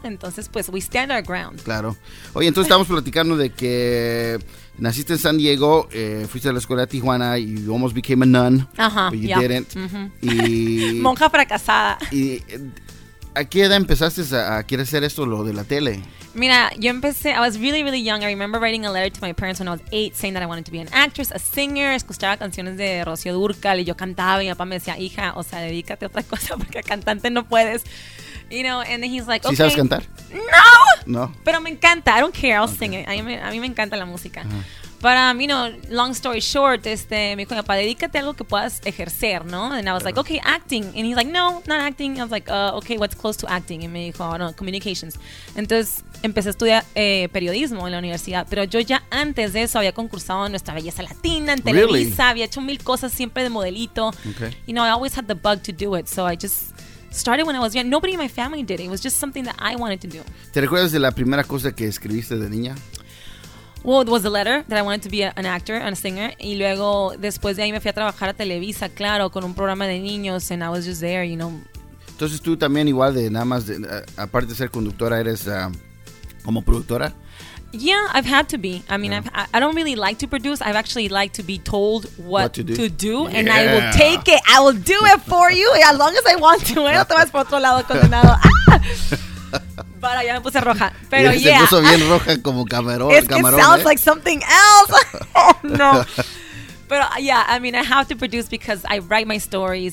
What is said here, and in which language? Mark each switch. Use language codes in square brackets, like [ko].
[es] Entonces, pues, [en] we stand our ground. [es] Claro. Oye, entonces estamos platicando de que naciste en San Diego, fuiste a la escuela de Tijuana, [en] you almost became a nun. [es] Ajá. [en] But you didn't. [es] Monja fracasada. Y ¿A qué edad empezaste a querer hacer esto, lo de la tele? Mira, yo empecé, [en] I was really, really young. I remember writing a letter to my parents when I was 8 saying that I wanted to be an actress, a singer. [es] Escuchaba canciones de Rocío Dúrcal y yo cantaba. Y mi papá me decía, hija, o sea, dedícate a otra cosa porque cantante no puedes. [en] You know, and then he's like, okay. [es] ¿Sí sabes cantar? ¡No! No. Pero me encanta. [en] I don't care. I'll sing it. [es] A mí me encanta la música. [en] But, you know, long story short, [es] este, me dijo, papá, dedícate a algo que puedas ejercer, ¿no? [en] And I was like, okay, acting. And he's like, no, not acting. I was like, okay, what's close to acting? And [es] me dijo, [en] oh, no, communications. [es] Entonces, empecé a estudiar periodismo en la universidad. Pero yo ya antes de eso había concursado en Nuestra Belleza Latina, en Televisa. [en] Really? [es] Había hecho mil cosas siempre de modelito. [en] Okay. You know, I always had the bug to do it. So I just started when I was young. Nobody in my family did it. It was just something that I wanted to do. [es] ¿Te recuerdas de la primera cosa que escribiste de niña? [en] Well, it was a letter that I wanted to be an actor and a singer. [es] Y luego, después de ahí, me fui a trabajar a Televisa, claro, con un programa de niños, [en] and I was just there, you know. [es] Entonces, tú también igual de nada más, de, aparte de ser conductora, eres como productora? [en] Yeah, I've had to be. I mean, yeah. I don't really like to produce. I've actually liked to be told what to do. Yeah. And I will take it. I will do it for you as long as I want to. [es] No te vas por otro lado, condenado. Para, ya me puse roja. Pero se puso bien roja como camarón. [en] It sounds like something else. No. Pero, yeah, I mean, I have to produce because I write my stories.